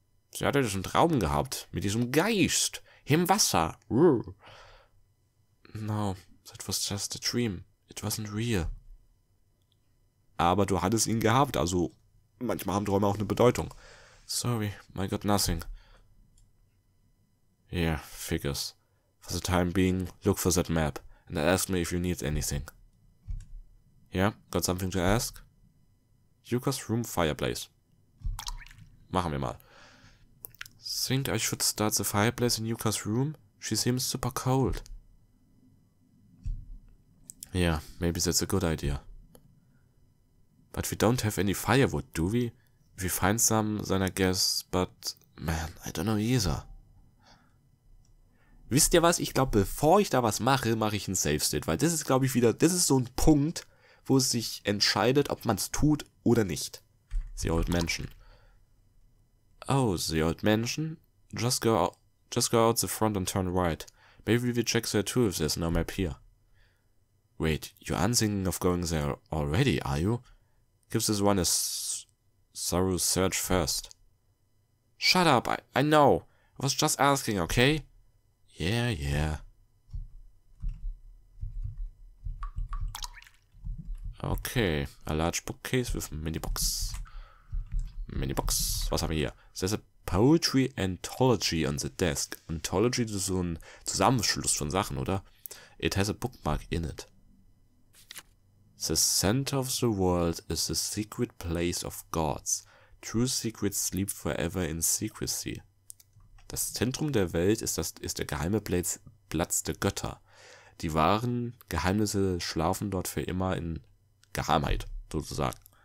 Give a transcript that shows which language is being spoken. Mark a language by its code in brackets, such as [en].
[de] Sie hatte diesen Traum gehabt, mit diesem Geist, im Wasser. [en] No, that was just a dream. It wasn't real. [de] Aber du hattest ihn gehabt, also manchmal haben Träume auch eine Bedeutung. [en] Sorry, I got nothing. Yeah, figures. For the time being, look for that map and ask me if you need anything. Yeah, got something to ask? Yuka's room fireplace. [de] Machen wir mal. [en] Think I should start the fireplace in Yuka's room? She seems super cold. Yeah, maybe that's a good idea. But we don't have any firewood, do we? If we find some, then I guess, but man, I don't know either. [de] Wisst ihr was? Ich glaube, bevor ich da was mache, mache ich ein Safe State, weil das ist, glaube ich, wieder, das ist so ein Punkt, wo es sich entscheidet, ob man es tut oder nicht. [en] The old mansion. Oh, the old mansion? Just go out the front and turn right. Maybe we check there too if there's no map here. Wait, you aren't thinking of going there already, are you? Give this one a thorough search first. Shut up, I know. I was just asking, okay? Yeah, yeah. Okay, a large bookcase with minibox. Minibox, [de] was haben wir hier? [en] There's a poetry anthology on the desk. [de] Anthology, das ist so ein Zusammenschluss von Sachen, oder? [en] It has a bookmark in it. The center of the world is the secret place of gods. True secrets sleep forever in secrecy. [de] Das Zentrum der Welt ist der geheime Platz der Götter. Die wahren Geheimnisse schlafen dort für immer in Geheimheit, sozusagen.